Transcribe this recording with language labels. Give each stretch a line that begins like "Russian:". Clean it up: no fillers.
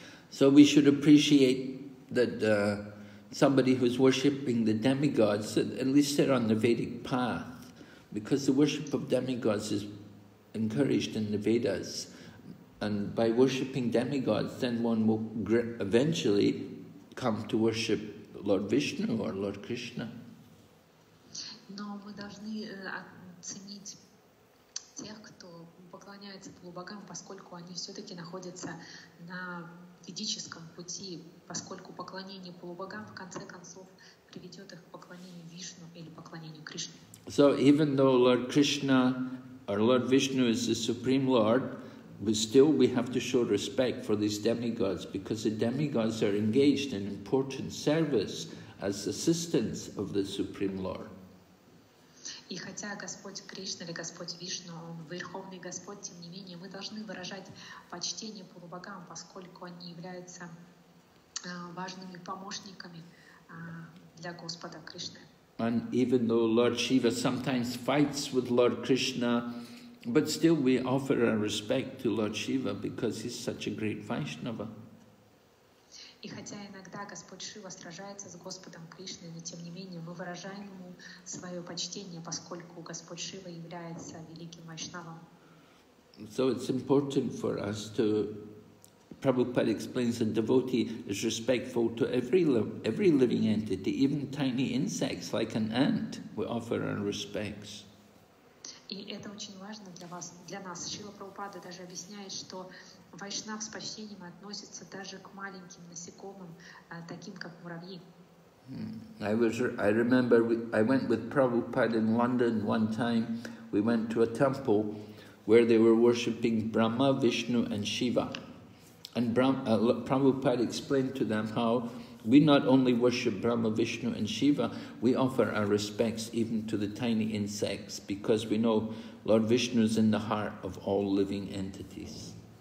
English: So we should appreciate that somebody who is worshipping the demigods, at least they're on the Vedic path, because the worship of demigods is encouraged in the Vedas. And by worshipping demigods, then one will eventually come to worship Lord Vishnu or Lord Krishna.
Russian: Но мы должны оценить тех, кто поклоняется полубогам, поскольку они все-таки находятся на ведическом пути, поскольку поклонение полубогам в конце концов приведет их к поклонению Вишну или поклонению Кришне.
English: So even though Lord Krishna or Lord Vishnu is the Supreme Lord, but still we have to show respect for these demigods because the demigods are engaged in important service as assistants of the Supreme Lord.
Russian: И хотя Господь Кришна или Господь Вишну, Он Верховный Господь, тем не менее, мы должны выражать почтение полубогам, поскольку они являются важными помощниками для Господа Кришны.
English: And even though Lord Shiva sometimes fights with Lord Krishna, but still we offer our respect to Lord Shiva because he's such a great Vaishnava.
Russian: И хотя иногда Господь Шива сражается с Господом Кришной, но тем не менее мы выражаем ему свое почтение, поскольку Господь Шива является великим вайшнавом.
English: So it's important for us to, Prabhupada explains, a devotee is respectful to every living entity, even tiny insects like an ant. We offer our respects.
Russian: И это очень важно для вас, для нас. Шива Прабхупада даже объясняет, что Вайшнав с почтением относится даже к маленьким насекомым, таким как муравьи.
English: I remember I went with Prabhupada in London one time. We went to a temple where they were worshipping Brahma, Vishnu and Shiva. And Prabhupada explained to them how we not only worship Brahma, Vishnu and Shiva, we offer our respects even to the tiny insects because we know Lord Vishnu is in the heart of all living entities.